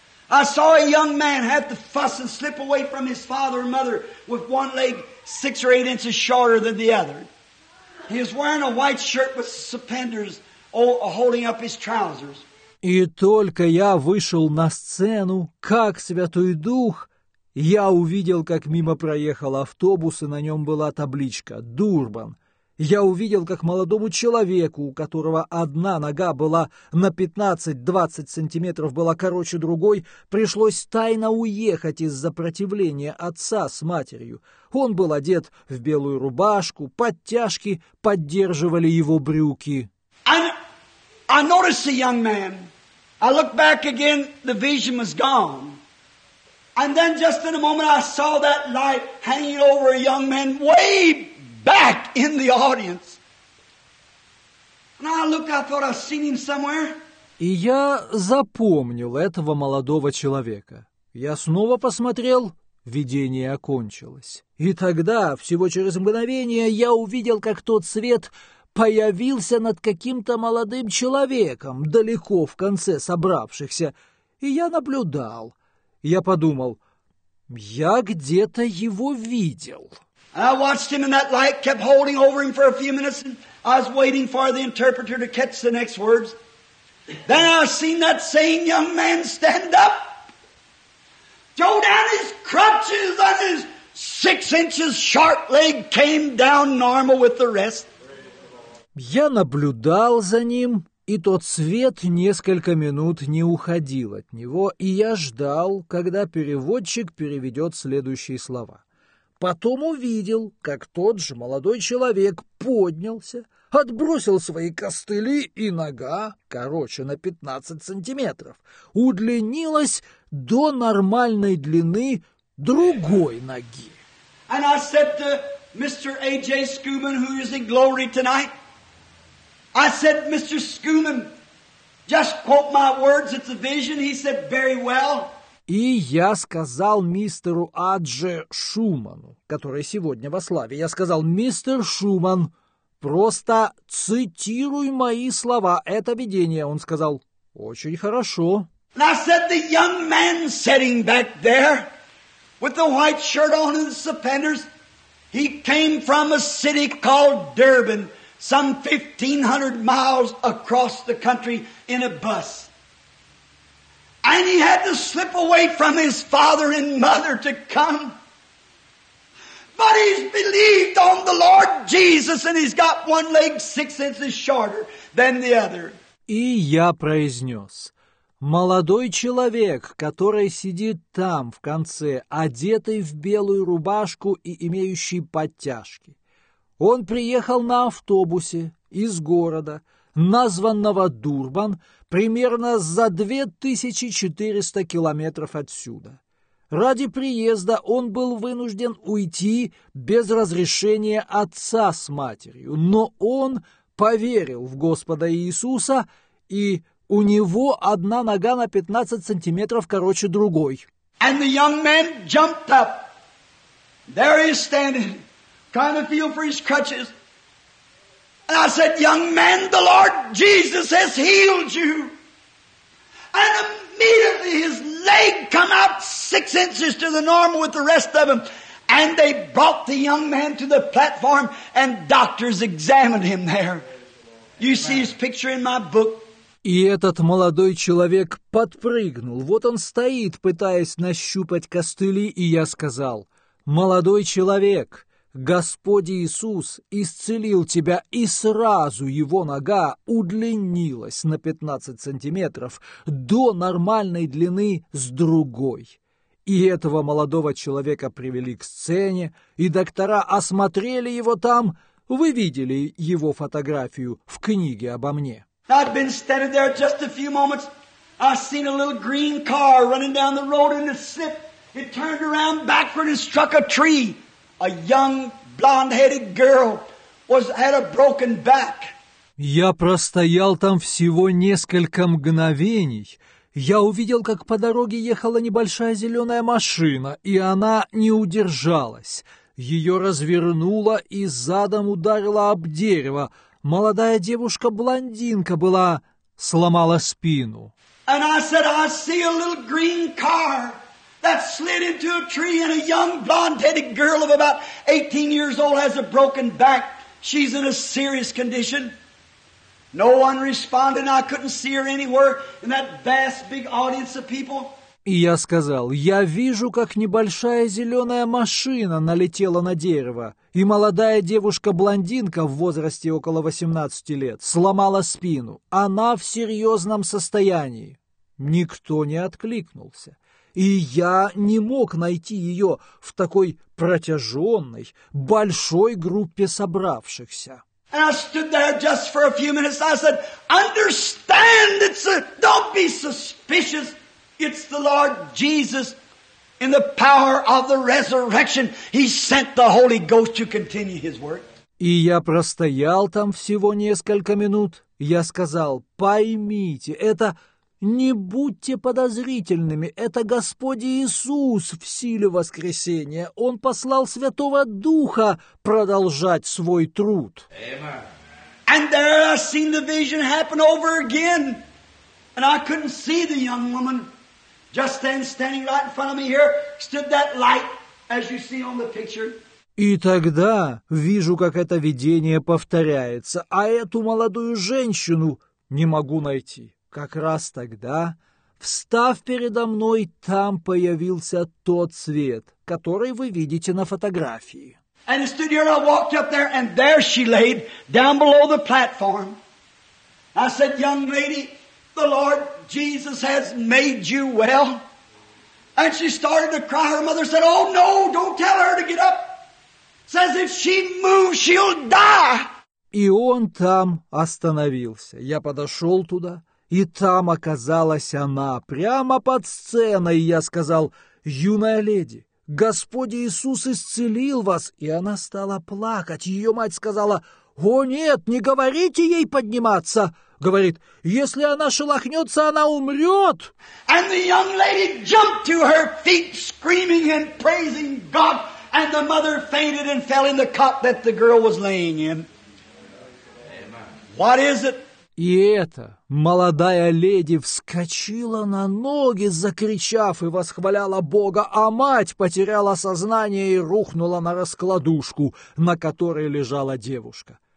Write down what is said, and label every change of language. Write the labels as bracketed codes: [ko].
[en] I saw a young man have to fuss and slip away from his father and mother with one leg 6 or 8 inches shorter than the other. He is wearing a white shirt with suspenders holding up his trousers. [ru] И только я вышел на сцену, как Святой Дух, я увидел, как мимо проехал автобус, и на нем была табличка «Дурбан». Я увидел, как молодому человеку, у которого одна нога была на 15-20 сантиметров, была короче другой, пришлось тайно уехать из-за противления отца с матерью. Он был одет в белую рубашку, подтяжки поддерживали его брюки. [en] I noticed the young man. I looked back again, the vision was gone. And then just in a moment I saw that light hanging over a young man way back in the audience. And I looked, I thought I'd seen him somewhere. [ru] И я запомнил этого молодого человека. Я снова посмотрел, видение окончилось. И тогда, всего через мгновение, я увидел, как тот свет появился над каким-то молодым человеком, далеко в конце собравшихся. И я наблюдал. Я подумал, я где-то его видел. [en] I watched him, and that light kept holding over him for a few minutes, and I was waiting for the interpreter to catch the next words. Then I seen that same young man stand up, throw down his crutches, and his 6 inches sharp leg came down normal with the rest. [ru] Я наблюдал за ним, и тот свет несколько минут не уходил от него, и я ждал, когда переводчик переведет следующие слова. Потом увидел, как тот же молодой человек поднялся, отбросил свои костыли, и нога, короче, на 15 сантиметров, удлинилась до нормальной длины другой ноги. [en] And I said to Mr. A.J. Schuman, who is in glory tonight, I said, Mr. Schuman, just quote my words, it's a vision. He said, very well. [ru] И я сказал мистеру Адже Шуману, который сегодня во славе, я сказал: «Мистер Шуман, просто цитируй мои слова, это видение». Он сказал: «Очень хорошо». [en] And I said, the young man sitting back there with the white shirt on and the suspenders, he came from a city called Durban, some 1,500 miles across the country in a bus. And he had to slip away from his father and mother to come. But he's believed on the Lord Jesus, and he's got one leg 6 inches shorter than the other. [ru] И я произнес: молодой человек, который сидит там в конце, одетый в белую рубашку и имеющий подтяжки, Он приехал на автобусе из города, названного Дурбан, примерно за 2400 километров отсюда. Ради приезда он был вынужден уйти без разрешения отца с матерью, но он поверил в Господа Иисуса, и у него одна нога на 15 сантиметров короче другой. [en] And the young man jumped up. There he is standing, trying to feel for his crutches. And I said, young man, the Lord Jesus has healed you. And immediately his leg come out 6 inches to the normal with the rest of him. And they brought the young man to the platform and doctors examined him there. You see his picture in my book. [ru] И этот молодой человек подпрыгнул. Вот он стоит, пытаясь нащупать костыли, и я сказал, «Молодой человек, Господь Иисус исцелил тебя», и сразу его нога удлинилась на 15 сантиметров до нормальной длины с другой. И этого молодого человека привели к сцене, и доктора осмотрели его там. Вы видели его фотографию в книге обо мне. [en] I'd been standing there just a few moments. I seen a little green car running down the road and it slipped. It turned around backward and struck a tree. A young blonde-headed girl had a broken back. [ru] Я простоял там всего несколько мгновений. Я увидел, как по дороге ехала небольшая зеленая машина, и она не удержалась. Ее развернуло и задом ударило об дерево. Молодая девушка-блондинка была, сломала спину. [en] And I said, I see a little green car that slid into a tree and a young blonde-headed girl of about 18 years old has a broken back. She's in a serious condition. No one responded. I couldn't see her anywhere in that vast big audience of people. [ru] И я сказал, я вижу, как небольшая зеленая машина налетела на дерево, и молодая девушка-блондинка в возрасте около 18 лет сломала спину. Она в серьезном состоянии. Никто не откликнулся. И я не мог найти ее в такой протяженной, большой группе собравшихся. [en] And I stood there just for a few minutes. I said, understand, don't be suspicious. It's the Lord Jesus in the power of the resurrection. He sent the Holy Ghost to continue his work. [ru] И я простоял там всего несколько минут. Я сказал, поймите, это не будьте подозрительными. Это Господь Иисус в силе воскресения. Он послал Святого Духа продолжать свой труд. [en] Amen. And there I seen the vision happen over again. And I couldn't see the young woman. Just then, standing right in front of me here, stood that light, as you see on the picture. [ru] И тогда вижу, как это видение повторяется, а эту молодую женщину не могу найти. Как раз тогда, встав передо мной, там появился тот свет, который вы видите на фотографии. [en] And I stood here and I walked up there, and there she laid, down below the platform. I said, young lady, the Lord Jesus has made you well. And she started to cry. Her mother said, oh no, don't tell her to get up. Says if she moves, she'll die. [ru] И он там остановился. Я подошел туда, и там оказалась она, прямо под сценой. Я сказал, юная леди, Господь Иисус исцелил вас. И она стала плакать. Ее мать сказала, о нет, не говорите ей подниматься. Говорит, если она шелохнется, она умрет. [en] And the young lady jumped to her feet, screaming and praising God. And the mother fainted and fell in the cot that the girl was laying in. What is it? [ru] И эта молодая леди вскочила на ноги, закричав и восхваляла Бога, а мать потеряла сознание и рухнула на раскладушку, на которой лежала девушка.